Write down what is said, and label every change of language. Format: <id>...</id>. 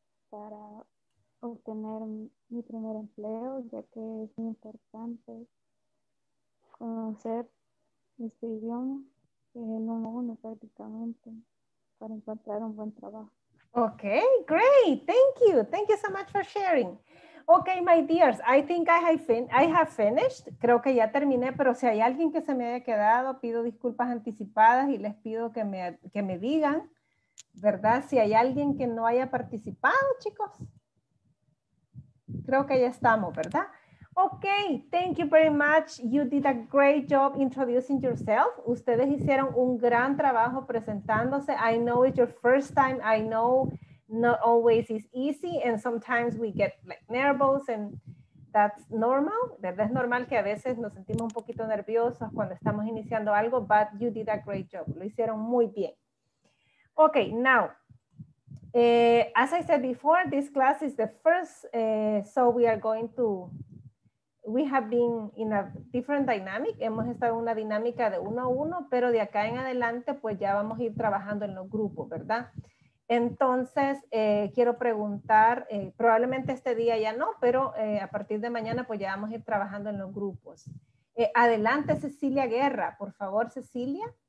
<es>para obtener mi primer empleo, ya que es muy importante conocer este idioma, que es el número uno prácticamente, para encontrar un buen trabajo.</es> <en>Okay, great. Thank you so much for sharing. Okay, my dears, I think I have finished.</en> <es>Creo que ya terminé, pero si hay alguien que se me haya quedado, pido disculpas anticipadas y les pido que me digan, ¿verdad? Si hay alguien que no haya participado, chicos. Creo que ya estamos, ¿verdad?</es> <en>Okay, thank you very much. You did a great job introducing yourself.</en> <es>Ustedes hicieron un gran trabajo presentándose.</es> <en>I know it's your first time. I know not always is easy, and sometimes we get like nervous, and that's normal.</en> <es>Es normal que a veces nos sentimos un poquito nerviosos cuando estamos iniciando algo,</es> <en>but you did a great job.</en> <es>Lo hicieron muy bien.</es> <en>Okay, now, as I said before, this class is the first, so we are going to, we have been in a different dynamic.</en> <es>Hemos estado en una dinámica de uno a uno, pero de acá en adelante, pues ya vamos a ir trabajando en los grupos, ¿verdad? Entonces, quiero preguntar, probablemente este día ya no, pero a partir de mañana pues ya vamos a ir trabajando en los grupos. Adelante, Cecilia Guerra, por favor, Cecilia.</es>